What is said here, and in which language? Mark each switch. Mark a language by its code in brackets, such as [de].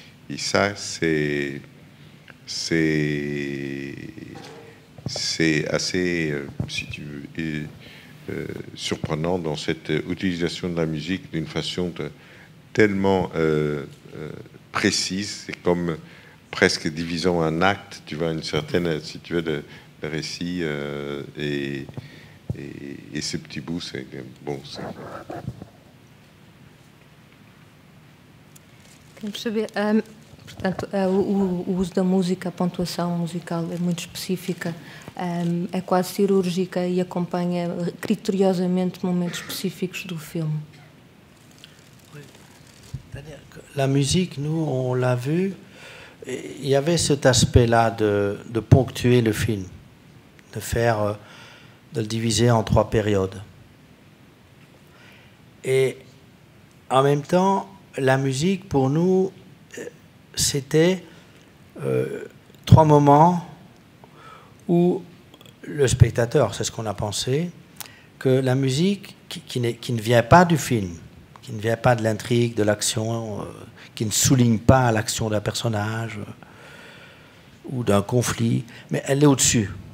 [fr] Et ça, c'est assez, si tu veux, surprenant dans cette utilisation de la musique d'une façon tellement précise, c'est comme presque divisant un acte, tu vois, une certaine, si tu veux, de récit et ce petit bout, c'est bon. C'est... [pt] Temos de saber, portanto, o uso da música, a pontuação musical é muito específica, é quase cirúrgica e acompanha criteriosamente momentos específicos do filme. [fr] La musique, nous, on l'a vu, il y avait cet aspect-là de ponctuer le film, de le diviser en trois périodes. Et en même temps, la musique, pour nous, c'était trois moments où le spectateur, c'est ce qu'on a pensé, que la musique qui ne vient pas du film, qui ne vient pas de l'intrigue, de l'action, qui ne souligne pas l'action d'un personnage ou d'un conflit, mais elle est au-dessus.